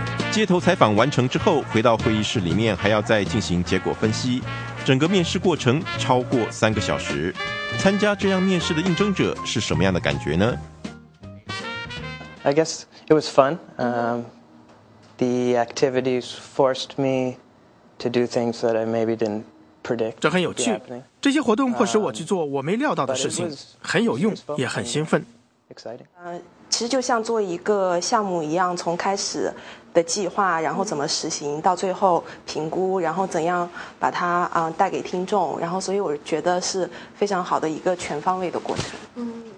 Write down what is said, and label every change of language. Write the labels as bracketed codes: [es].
[zh] 街头采访完成之后，回到会议室里面还要再进行结果分析，整个面试过程超过3个小时。参加这样面试的应征者是什么样的感觉呢？ [en] I guess it was fun. The activities forced me to do things that I maybe didn't predict. [zh] 这很有趣，这些活动迫使我去做我没料到的事情，很有用也很兴奋。其实就像做一个项目一样，从开始的计划，然后怎么实行，到最后评估，然后怎样把它带给听众，然后所以我觉得是非常好的一个全方位的过程。